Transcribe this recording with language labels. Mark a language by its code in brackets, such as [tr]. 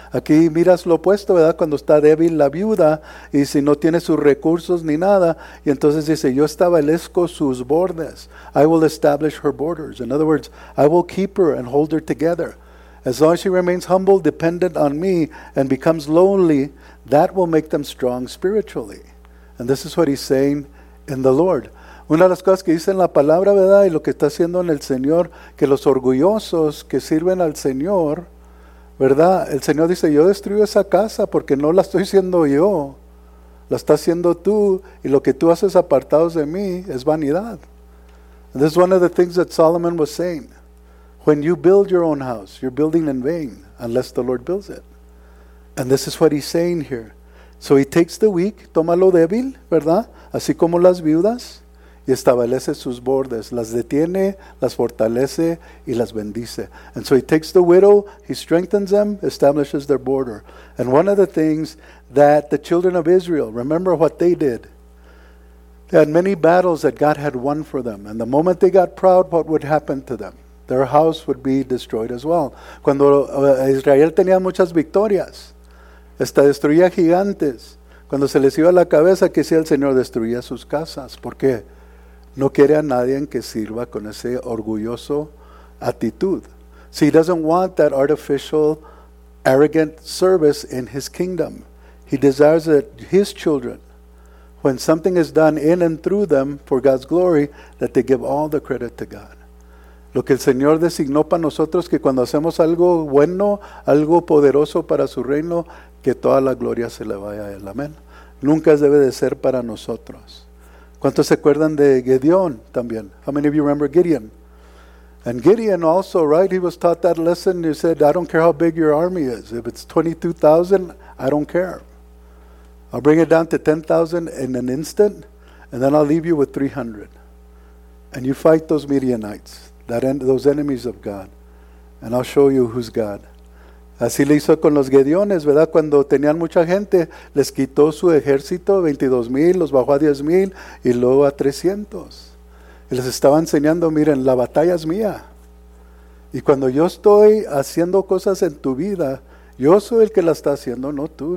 [es] Aquí miras lo opuesto, ¿verdad? Cuando está débil la viuda, y si no tiene sus recursos ni nada, y entonces dice, yo establezco sus bordes. [en] I will establish her borders. In other words, I will keep her and hold her together. As long as she remains humble, dependent on me, and becomes lonely, that will make them strong spiritually. And this is what he's saying in the Lord. [es] Una de las cosas que dice en la palabra, ¿verdad? Y lo que está haciendo en el Señor, que los orgullosos que sirven al Señor, ¿verdad? El Señor dice, yo destruyo esa casa porque no la estoy haciendo yo. La está haciendo tú, y lo que tú haces apartados de mí es vanidad. [en] And this is one of the things that Solomon was saying. When you build your own house, you're building in vain unless the Lord builds it. And this is what he's saying here. So he takes the weak, [es] toma lo débil, ¿verdad? Así como las viudas. Y establece sus bordes, las detiene, las fortalece y las bendice. [en] And so he takes the widow, he strengthens them, establishes their border. And one of the things that the children of Israel, remember what they did. They had many battles that God had won for them. And the moment they got proud, what would happen to them? Their house would be destroyed as well. [es] Cuando Israel tenía muchas victorias, hasta destruía gigantes. Cuando se les iba la cabeza, que sea el Señor, destruía sus casas. ¿Por qué? No quiere a nadie en que sirva con ese orgulloso actitud. [en] See, he doesn't want that artificial, arrogant service in his kingdom. He desires that his children, when something is done in and through them for God's glory, that they give all the credit to God. [es] Lo que el Señor designó para nosotros, que cuando hacemos algo bueno, algo poderoso para su reino, que toda la gloria se le vaya a él. Amén. Nunca debe de ser para nosotros. ¿Cuántos se acuerdan de Gideon también? [en] How many of you remember Gideon? And Gideon also, right? He was taught that lesson. He said, I don't care how big your army is. If it's 22,000, I don't care. I'll bring it down to 10,000 in an instant, and then I'll leave you with 300. And you fight those Midianites, those enemies of God, and I'll show you who's God. [es] Así le hizo con los Gedeones, ¿verdad? Cuando tenían mucha gente, les quitó su ejército, 22,000, los bajó a 10,000 y luego a 300. Y les estaba enseñando, miren, la batalla es mía. Y cuando yo estoy haciendo cosas en tu vida, yo soy el que la está haciendo, no tú.